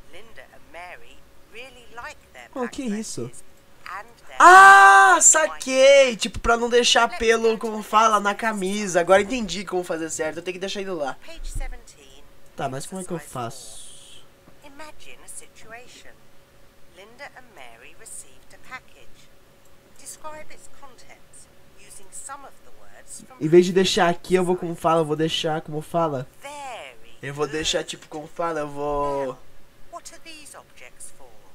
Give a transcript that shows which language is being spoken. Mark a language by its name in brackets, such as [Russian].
[English] Linda and Mary really like their black dresses. [Portuguese] Oh, que isso? Ah, saquei! Tipo, pra não deixar pelo, como fala, na camisa. Agora entendi como fazer certo. Eu tenho que deixar ele lá. Tá, mas como é que eu faço? [English] Imagine a situation. Linda and Mary received a package. Describe its contents using some of the words from. [Portuguese] Em vez de deixar aqui, eu vou como fala, eu vou deixar como fala. [English] Very [Portuguese] eu vou deixar tipo como fala, eu vou. [English] Now, what are these objects for?